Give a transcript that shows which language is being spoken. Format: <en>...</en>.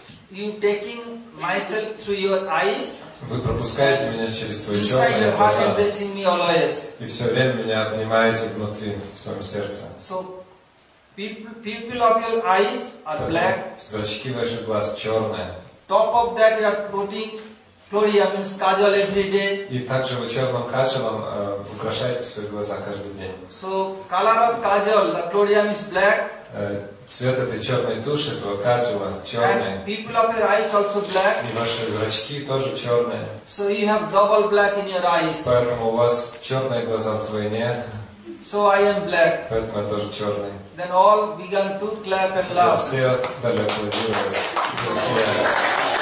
<en>You taking myself through your eyes.</en> <ru>Вы пропускаете меня через свои черные глаза. И все время меня обнимаете внутри, в своем сердце.</ru> <en>So, people of your eyes are black.</en> <ru>Зрачки ваших глаз черные.</ru> <en>Top of that you are putting thorium in kajal every day.</en> <ru>И также вы черным кажалом украшаете свои глаза каждый день.</ru> <en>So color of kajal, the thorium is black.</en> <ru>Цвет этой черной туши, этого каджула, черный.</ru> <en>And people of your eyes also black.</en> <ru>И ваши зрачки тоже черные.</ru> <en>So you have double black in your eyes.</en> <ru>Поэтому у вас черные глаза вдвойне.</ru> <en>So I am black.</en> <ru>Поэтому я тоже черный.</ru> <en>Then all began to clap and laugh.</en> <ru>Да, все стали аплодировать.</ru>